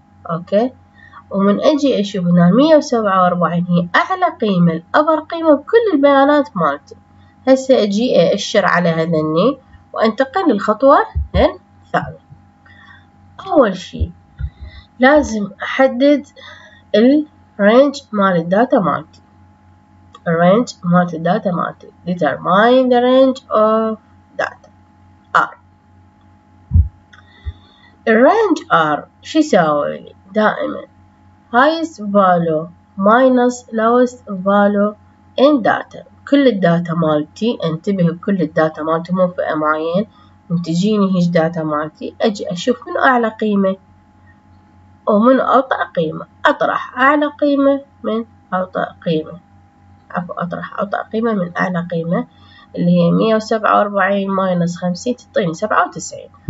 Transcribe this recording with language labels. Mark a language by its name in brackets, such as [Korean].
[Arabic] أوكي، ومن أجي أشوف هنا 147 هي أعلى قيمة الأبر قيمة بكل البيانات مالتي. هسه أجي أشر على هذني وأنتقل للخطوة الثانية. أول شيء لازم أحدد الرينج مال الداتا مالتي. [English] Range [Arabic] مال الداتا مالتي [English] determine the range of data R. range R [Arabic] شو يساوي لي؟ دائما [English] highest value minus lowest value in data. [Arabic] كل الداتا مالتي، انتبه بكل الداتا مالتي مو فئة معين، تجيني هيج داتا مالتي اجي اشوف من اعلى قيمة ومن اوطأ قيمة، اطرح اعلى قيمة من اوطأ قيمة، أطرح أوطأ قيمة من أعلى قيمة اللي هي 147 ماينس 50 تعطيني 97.